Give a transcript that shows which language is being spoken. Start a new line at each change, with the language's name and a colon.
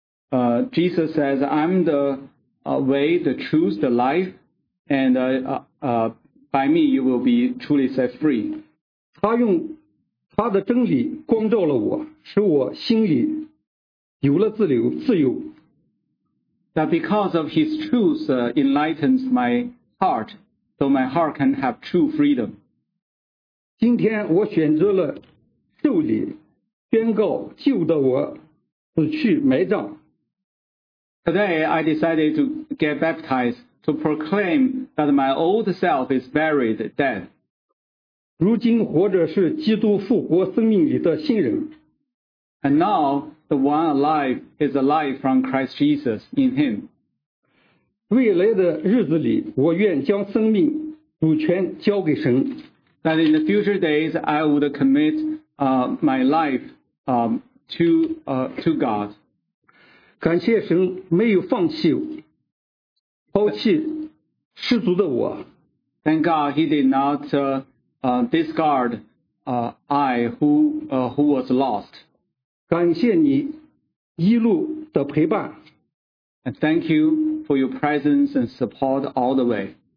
English: Jesus says, I'm the way, the truth, the life, and by me you will be truly set free.
Chinese: 他的真理光照了我，使我心里有了自由。
English: That because of his truth enlightens my heart, so my heart can have true freedom.
Chinese: 今天我选择了受礼，宣告旧的我死去埋葬。
English: Today I decided to get baptized to proclaim that my old self is buried dead.
Chinese: 如今活着是基督复活生命里的新人。
English: And now, the one alive is alive from Christ Jesus in him.
Chinese: 未来的日子里，我愿将生命主权交给神。
English: That in the future days, I would commit my life to God.
Chinese: 感谢神没有抛弃失足的我。
English: Thank God he did not discard I who was lost.
Chinese: 感谢你一路的陪伴。
English: And thank you for your presence and support all the way.